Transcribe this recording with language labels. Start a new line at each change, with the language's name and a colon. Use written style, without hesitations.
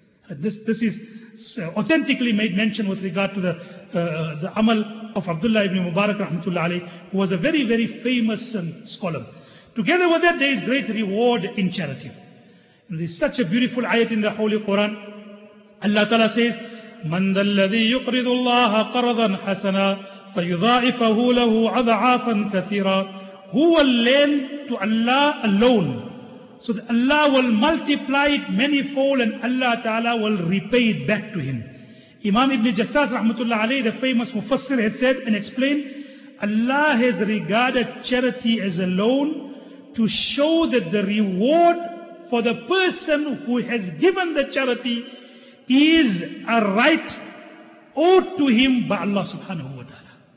English: This is authentically made mention with regard to the amal of Abdullah ibn Mubarak rahmatullah alayhi, who was a very, very famous scholar. Together with that, there is great reward in charity. There is such a beautiful ayat in the Holy Quran.
Arabic: Allah Ta'ala says, مَنْ دَلَّذِي يُقْرِضُ اللَّهَ قَرَضًا حَسَنًا فَيُضَاعِفَهُ لَهُ أَضْعَافًا كَثِيرًا.
English: Who will lend to Allah alone, so that Allah will multiply it manifold and Allah Ta'ala will repay it back to him. Imam Ibn Jassas rahmatullah alayhi, the famous Mufassir, had said and explained, Allah has regarded charity as a loan to show that the reward for the person who has given the charity is a right owed to him by Allah subhanahu wa ta'ala.